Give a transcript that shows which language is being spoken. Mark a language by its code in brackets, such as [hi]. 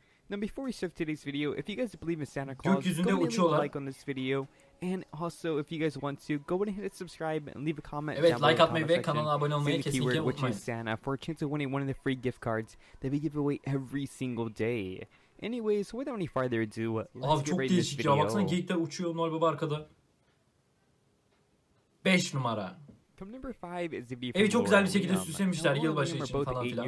[en] Now before we start today's video, if you guys believe in Santa Claus, go ahead and leave a like on this video. And also if you guys want to go ahead and hit subscribe and leave a comment. [tr] Evet, like atmayı ve kanala abone olmayı kesinlikle unutmayın. [en] Keyword, which is Santa, for a chance of winning one of the free gift cards that we give away every single day. Anyways, without any further ado, [tr] abi çok değişik ya. Baksana geyikler uçuyor Noel Baba arkada. 5 numara. [en] From number 5 is the [tr] Evi çok güzel bir şekilde süslemişler yılbaşı için falan filan.